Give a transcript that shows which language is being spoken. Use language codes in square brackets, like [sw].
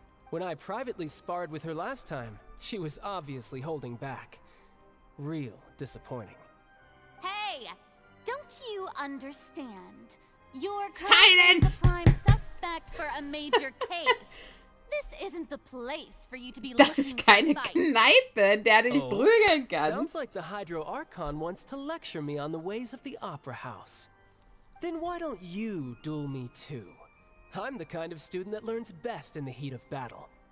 [en] When I privately sparred with her last time, she was obviously holding back. Real disappointing. Hey, don't you understand? You're currently the prime suspect for a major case. This isn't the place for you to be. [de] Das ist keine Kneipe, in der du dich prügeln kannst. [en] Sounds like the Hydro Archon wants to lecture me on the ways of the Opera House. Then why don't you duel me too? I'm the kind of student that learns best in the heat of battle.